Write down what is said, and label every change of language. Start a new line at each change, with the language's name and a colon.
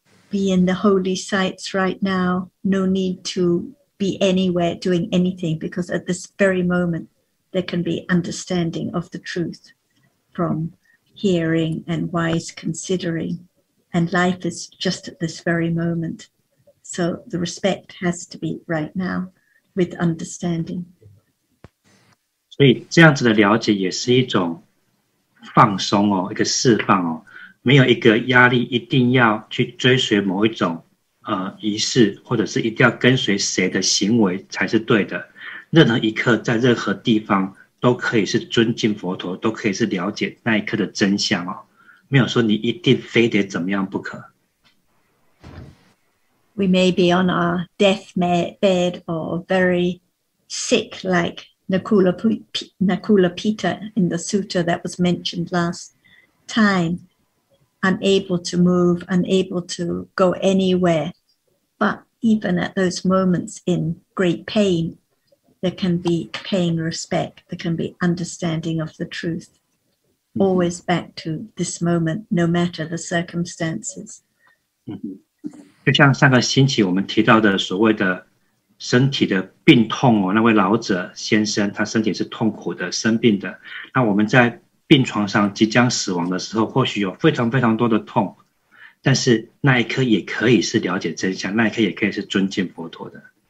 English: be in the holy sites right now, no need to be anywhere doing anything, because at this very moment, there can be understanding of the truth from hearing and wise considering, and life is just at this very moment. So the respect has to be right now with understanding.
Chinese: 所以这样子的了解也是一种放松哦，一个释放哦，没有一个压力一定要去追随某一种仪式，或者是一定要跟随谁的行为才是对的。任何一刻在任何地方都可以是尊敬佛陀，都可以是了解那一刻的真相哦，没有说你一定非得怎么样不可。
English: We may be on our death bed or very sick like Nakula Pita in the sutta that was mentioned last time, unable to move, unable to go anywhere. But even at those moments in great pain, there can be pain respect, there can be understanding of the truth, always back to this moment, no matter the circumstances. Mm-hmm.
Chinese: 就像上个星期我们提到的所谓的身体的病痛哦，那位老者先生他身体是痛苦的，生病的，那我们在病床上即将死亡的时候，或许有非常非常多的痛，但是那一刻也可以是了解真相，那一刻也可以是尊敬佛陀的。